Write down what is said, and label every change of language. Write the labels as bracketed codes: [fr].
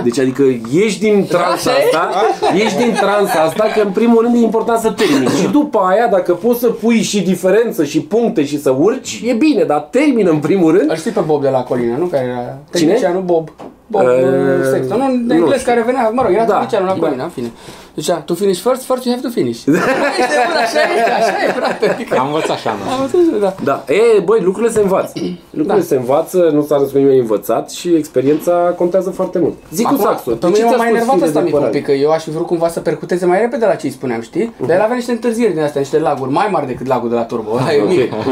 [ro] deci, adică, ieși din transa asta, ieși din transa asta, că în primul rând e important să termini, și după aia, dacă poți să pui și diferență și puncte și să urci, e bine, dar termină în primul rând. Îl știi pe Bob de la Colina, nu? Care era tehnicianul Bob. Bob, sexto, nu, de englez care venea, mă rog, era tehnicianul la Colina, în fine. Zicea, [en] to finish first, first you have to finish. [ro] Așa e, frate. Am învățat așa, mă. Am învățat, da. Da, e, băi, lucrurile se învață. Lucrurile se învață, nu s-a născut nimeni învățat și experiența contează foarte mult. Zic cu Saxo, pe mine m-a mai enervat ăsta micul pic, că eu aș fi vrut cumva să percuteze mai repede la ce îi spuneam, știi? Dar el avea niște întârzieri din astea, niște laguri mai mari decât lagul de la Turbo, ăla e mic.